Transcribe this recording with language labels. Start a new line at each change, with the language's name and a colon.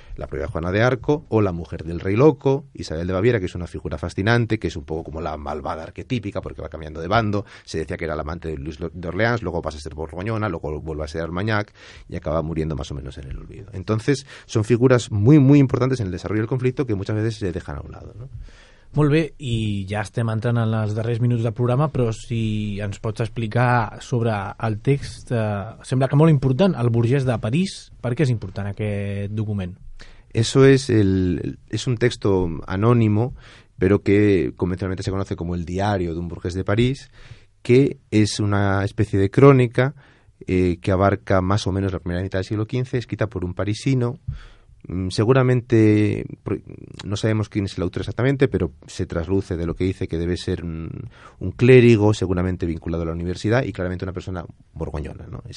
Spanish: La propia Juana de Arco o la mujer del rey loco, Isabel de Baviera, que es una figura fascinante, que es un poco como la malvada arquetípica porque va cambiando de bando. Se decía que era la amante de Luis de Orleans, luego pasa a ser borgoñona, luego vuelve a ser Armagnac y acaba muriendo más o menos en el olvido. Entonces son figuras muy muy importantes en el desarrollo del conflicto que muchas veces se dejan a un lado, ¿no?
Catalan: Molt bé, i ja estem entrant en els darrers minuts del programa, però si ens pots explicar sobre el text, sembla que molt important, el Burgès de París, per què és important aquest document?
Spanish: Eso es el, es un texto anónimo, pero que convencionalmente se conoce como el diario de un burgués de París, que es una especie de crónica que abarca más o menos la primera mitad del siglo XV, escrita por un parisino. Seguramente no sabemos quién es el autor exactamente, pero se trasluce de lo que dice que debe ser un clérigo, seguramente vinculado a la universidad, y claramente una persona borgoñona, ¿no?